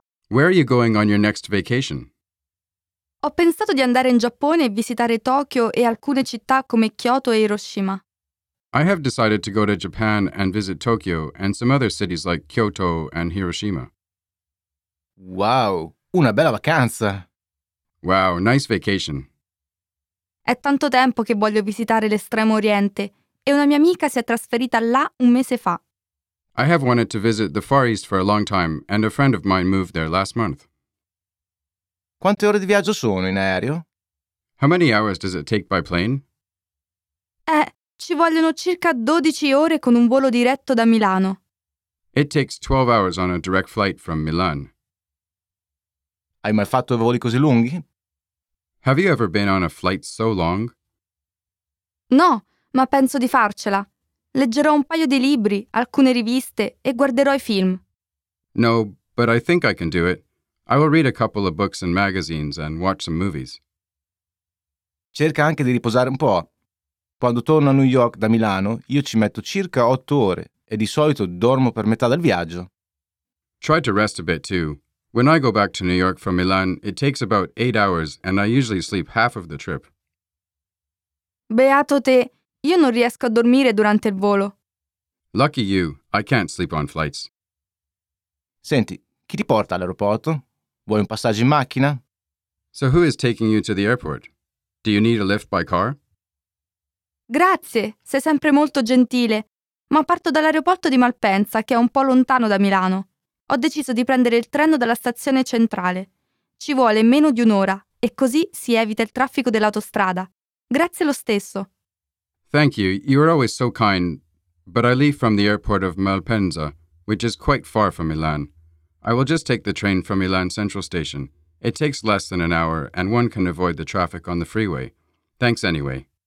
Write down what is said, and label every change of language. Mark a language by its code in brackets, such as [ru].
[en] Where are you going on your next vacation? [it] Ho pensato di andare in Giappone e visitare Tokyo e alcune città come Kyoto e Hiroshima. [en] I have decided to go to Japan and visit Tokyo and some other cities like Kyoto and Hiroshima. [it] Wow, una bella vacanza! [en] Wow, nice vacation! [it] È tanto tempo che voglio visitare l'Estremo Oriente e una mia amica si è trasferita là un mese fa. [en] I have wanted to visit the Far East for a long time and a friend of mine moved there last month. [it] Quante ore di viaggio sono in aereo? [en] How many hours does it take by plane? [it] Ci vogliono circa 12 ore con un volo diretto da Milano. [en] It takes 12 hours on a direct flight from Milan. [it] Hai mai fatto voli così lunghi? [en] Have you ever been on a flight so long? [it] No, ma penso di farcela. Leggerò un paio di libri, alcune riviste e guarderò i film. [en] No, but I think I can do it. I will read a couple of books and magazines and watch some movies. [it] Cerca anche di riposare un po'. Quando torno a New York da Milano, io ci metto circa 8 ore e di solito dormo per metà del viaggio. [en] Try to rest a bit too. When I go back to New York from Milan, it takes about 8 hours and I usually sleep half of the trip. [it] Beato te! Io non riesco a dormire durante il volo. [en] Lucky you, I can't sleep on flights. [it] Senti, chi ti porta all'aeroporto? Vuoi un passaggio in macchina? [en] So who is taking you to the airport? Do you need a lift by car? [it] Grazie, sei sempre molto gentile. Ma parto dall'aeroporto di Malpensa, che è un po' lontano da Milano. Ho deciso di prendere il treno dalla stazione centrale. Ci vuole meno di un'ora e così si evita il traffico dell'autostrada. Grazie lo stesso. [en] Thank you, you are always so kind, but I leave from the airport of Malpensa, which is quite far from Milan. I will just take the train from Milan Central Station. It takes less than an hour, and one can avoid the traffic on the freeway. Thanks anyway.